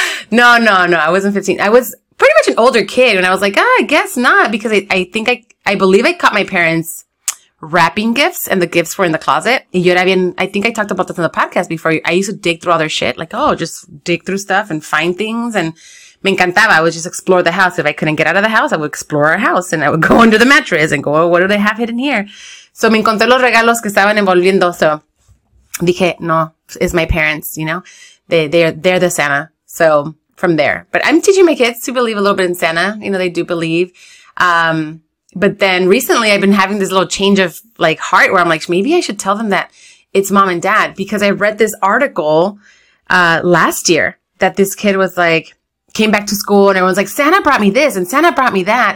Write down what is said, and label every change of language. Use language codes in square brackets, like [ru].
[en] No, I wasn't 15. I was pretty much an older kid when I was like, I guess not, because I think I believe I caught my parents wrapping gifts, and the gifts were in the closet. I think I talked about this on the podcast before. I used to dig through all their shit, like, oh, just dig through stuff and find things. And [es] me encantaba. [en] I would just explore the house. If I couldn't get out of the house, I would explore our house, and I would go under the mattress and go, oh, what do they have hidden here? [es] So me encontré los regalos que estaban envolviendo. [en] So [es] dije, no, [en] it's my parents, you know, they're the Santa. So from there, but I'm teaching my kids to believe a little bit in Santa. You know, they do believe. But then recently I've been having this little change of like heart, where I'm like, maybe I should tell them that it's mom and dad, because I read this article last year that this kid was like, came back to school and everyone's like, Santa brought me this and Santa brought me that.